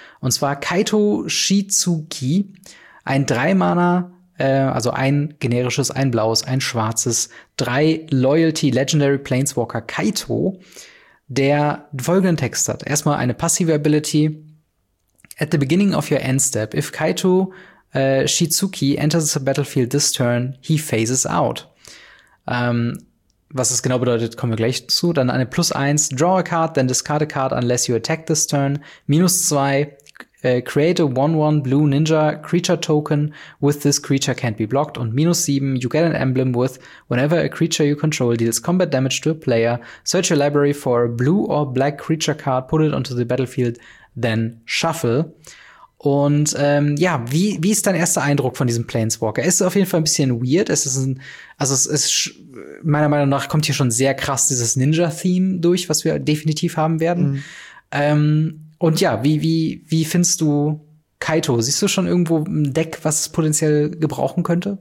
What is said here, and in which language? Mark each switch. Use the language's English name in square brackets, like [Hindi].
[German] Und zwar Kaito Shizuki, ein 3-Mana, also ein generisches, ein blaues, ein schwarzes, 3 Loyalty Legendary Planeswalker Kaito, der folgenden Text hat. Erstmal eine passive Ability. [English] At the beginning of your end step, if Kaito Shizuki enters the battlefield this turn, he phases out. [German] Was es genau bedeutet, kommen wir gleich zu. Dann eine plus 1, [English] draw a card, then discard a card unless you attack this turn. Minus 2, create a 1-1 blue ninja creature token with this creature can't be blocked. [German] Und minus 7, [English] you get an emblem with whenever a creature you control deals combat damage to a player, search your library for a blue or black creature card, put it onto the battlefield, then shuffle. [German] Und ja, wie ist dein erster Eindruck von diesem Planeswalker? Es ist auf jeden Fall ein bisschen weird. Es ist ein, also es ist meiner Meinung nach kommt hier schon sehr krass dieses Ninja-Theme durch, was wir definitiv haben werden. Mhm. Und ja, wie findest du Kaito? Siehst du schon irgendwo ein Deck, was es potenziell gebrauchen könnte?